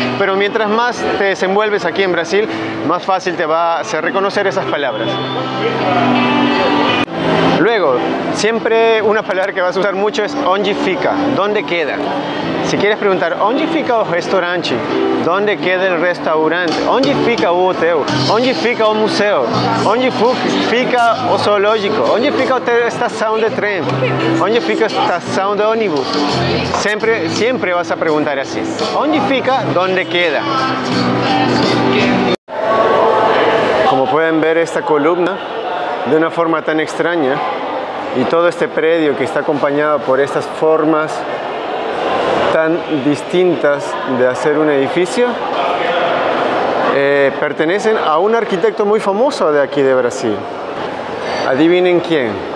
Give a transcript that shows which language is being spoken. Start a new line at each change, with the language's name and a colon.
Spanish: Pero mientras más te desenvuelves aquí en Brasil, más fácil te va a hacer reconocer esas palabras. Luego, siempre una palabra que vas a usar mucho es
Portuguese: onde fica,
Spanish: ¿dónde queda? Si quieres preguntar,
Portuguese: onde fica o restaurante,
Spanish: ¿dónde queda el restaurante?
Portuguese: Onde fica o hotel, onde fica o museo, onde fica o zoológico, onde fica a estação de tren, onde fica a estação de ônibus.
Spanish: Siempre, siempre vas a preguntar así,
Portuguese: onde fica,
Spanish: ¿dónde queda? Como pueden ver esta columna, de una forma tan extraña, y todo este predio que está acompañado por estas formas tan distintas de hacer un edificio, pertenecen a un arquitecto muy famoso de aquí de Brasil. Adivinen quién.